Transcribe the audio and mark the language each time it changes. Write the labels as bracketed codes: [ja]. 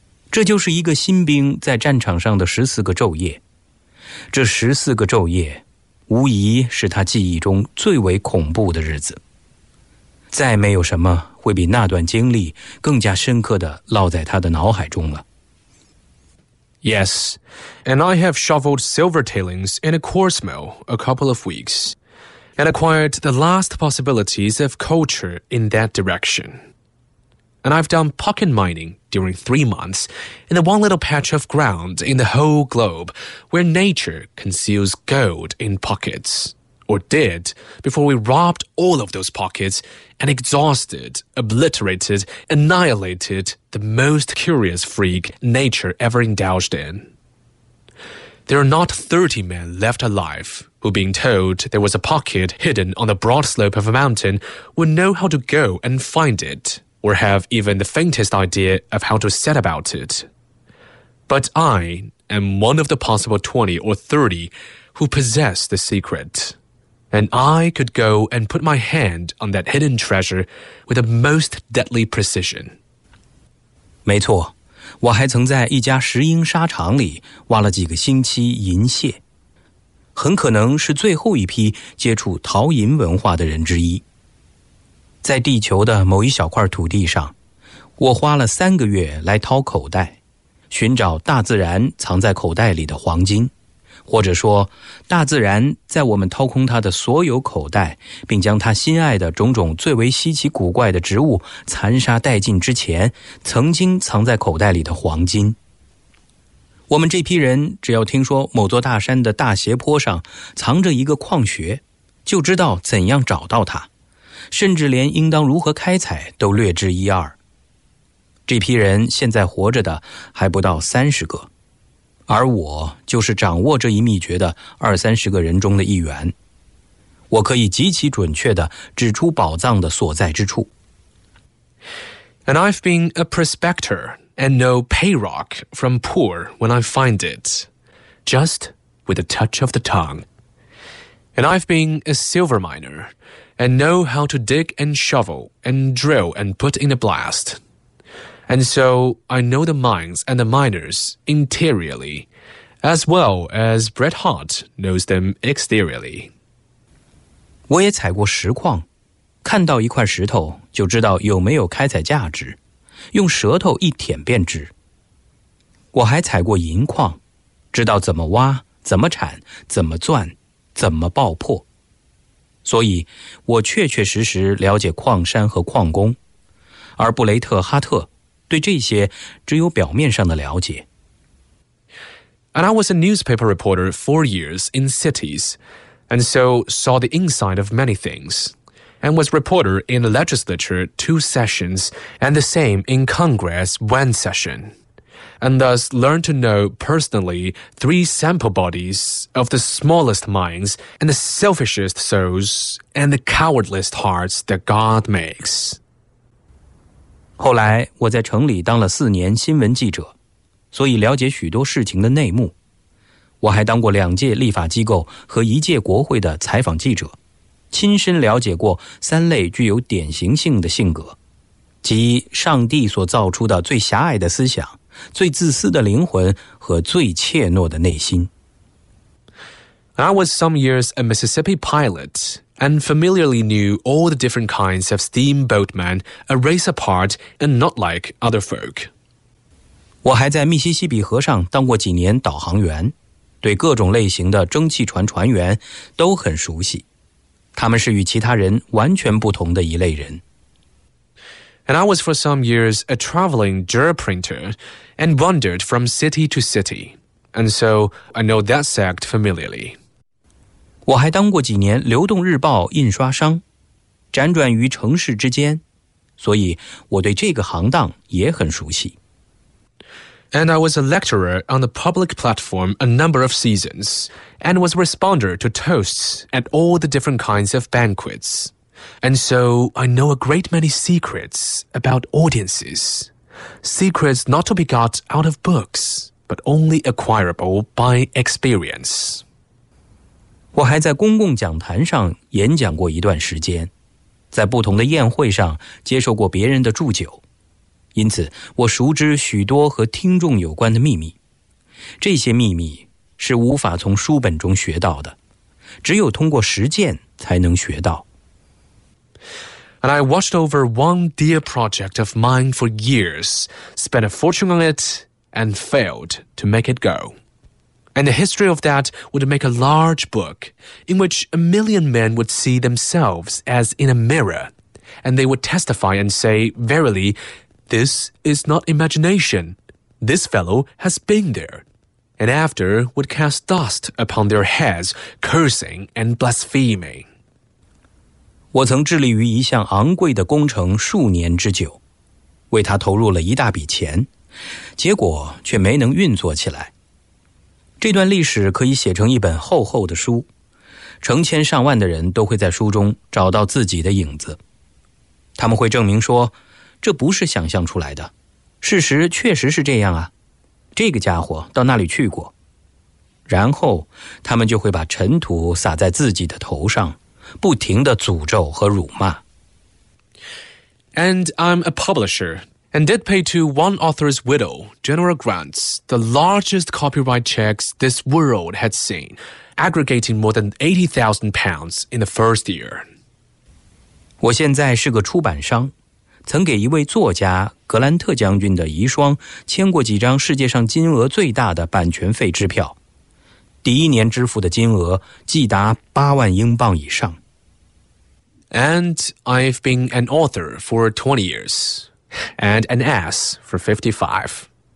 [zh] 这就是一个新兵在战场上的14个昼夜，这14个昼夜无疑是他记忆中最为恐怖的日子，再没有什么会比那段经历更加深刻地烙在他的脑海中了。 [en] Yes, and I have shoveled silver tailings in a coarse mill a couple of weeks and acquired the last possibilities of culture in that direction. And I've done pocket mining during 3 months in the one little patch of ground in the whole globe where nature conceals gold in pockets. Or did, before we robbed all of those pockets and exhausted, obliterated, annihilated the most curious freak nature ever indulged in. There are not 30 men left alive who, being told there was a pocket hidden on the broad slope of a mountain, would know how to go and find it, or have even the faintest idea of how to set about it. But I am one of the possible 20 or 30 who possess the secret. And I could go and put my hand on that hidden treasure with a most deadly precision. [zh] 没错，我还曾在一家石英砂厂里挖了几个星期银屑，很可能是最后一批接触陶银文化的人之一。在地球的某一小块土地上，我花了3个月来掏口袋，寻找大自然藏在口袋里的黄金。或者说，大自然在我们掏空它的所有口袋，并将它心爱的种种最为稀奇古怪的植物残杀殆尽之前，曾经藏在口袋里的黄金。我们这批人只要听说某座大山的大斜坡上藏着一个矿穴，就知道怎样找到它，甚至连应当如何开采都略知一二。这批人现在活着的还不到30个。而我就是掌握这一秘诀的20-30个人中的一员，我可以极其准确地指出宝藏的所在之处。 [en] And I've been a prospector and know Payrock from poor when I find it, just with a touch of the tongue. And I've been a silver miner and know how to dig and shovel and drill and put in a blast. And so I know the mines and the miners interiorly, as well as Bret Hart knows them exteriorly. [zh] 我也采过石矿，看到一块石头就知道有没有开采价值，用舌头一舔便知。我还采过银矿，知道怎么挖、怎么铲、怎么钻、怎么爆破。所以，我确确实实了解矿山和矿工，而布雷特·哈特对这些只有表面上的了解。 [en] And I was a newspaper reporter 4 years in cities, and so saw the inside of many things, and was reporter in the legislature 2 sessions, and the same in Congress 1 session, and thus learned to know personally 3 sample bodies of the smallest minds and the selfishest souls and the cowardliest hearts that God makes. [zh] 后来我在城里当了4年新闻记者，所以了解许多事情的内幕。我还当过2届立法机构和1届国会的采访记者，亲身了解过3类具有典型性的性格，即上帝所造出的最狭隘的思想、最自私的灵魂和最怯懦的内心。 [en] I was some years a Mississippi pilot. And familiarly knew all the different kinds of steamboatmen, a race apart and not like other folk. [zh] 我还在密西西比河上当过几年导航员，对各种类型的蒸汽船船员都很熟悉，他们是与其他人完全不同的一类人。 [en] And I was for some years a traveling gyroprinter and wandered from city to city, and so I know that sect familiarly. [zh] 我还当过几年流动日报印刷商，辗转于城市之间，所以我对这个行当也很熟悉。 [en] And I was a lecturer on the public platform a number of seasons, and was responder to toasts at all the different kinds of banquets. And so I know a great many secrets about audiences. Secrets not to be got out of books, but only acquirable by experience. [zh] 我还在公共讲坛上演讲过一段时间，在不同的宴会上接受过别人的祝酒。因此我熟知许多和听众有关的秘密，这些秘密是无法从书本中学到的，只有通过实践才能学到。 [en] And I watched over one dear project of mine for years, spent a fortune on it, and failed to make it go. And the history of that would make a large book, in which a million men would see themselves as in a mirror, and they would testify and say, verily,This is not imagination. This fellow has been there. And after would cast dust upon their heads, cursing and blaspheming. [zh] 我曾致力于一项昂贵的工程数年之久，为它投入了一大笔钱，结果却没能运作起来。这段历史可以写成一本厚厚的书，成千上万的人都会在书中找到自己的影子。他们会证明说这不是想象出来的，事实确实是这样啊，这个家伙到那里去过，然后他们就会把尘土撒在自己的头上，不停地诅咒和辱骂。 [en] And I'm a publisher, and did pay to one author's widow, General Grant's, the largest copyright checks this world had seen, aggregating more than £80,000 in the first year. [zh] 我现在是个出版商，曾给一位作家格兰特将军的遗孀签过几张世界上金额最大的版权费支票，第一年支付的金额计达8万英镑以上。 [en] And I've been an author for 20 years, and an ass for 55.